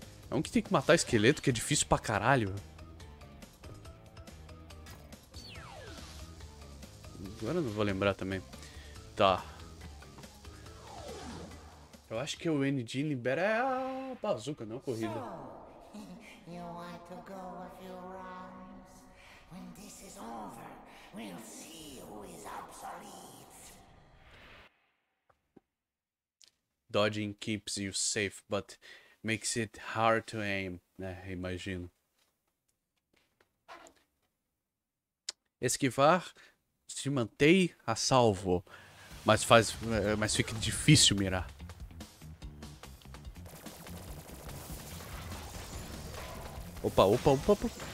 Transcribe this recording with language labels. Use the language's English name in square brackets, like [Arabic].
[Portuguese] É um que tem que matar esqueleto, que é difícil pra caralho. Agora eu não vou lembrar também. Tá. Eu acho que o ND libera a bazuca, não a corrida. [English] You want to go a few rounds? When this is over, we'll see who is obsolete. Dodging keeps you safe, but makes it hard to aim, [Portuguese] né? Imagino. Esquivar se mantém a salvo, mas fica difícil mirar. Opa, opa, opa, opa.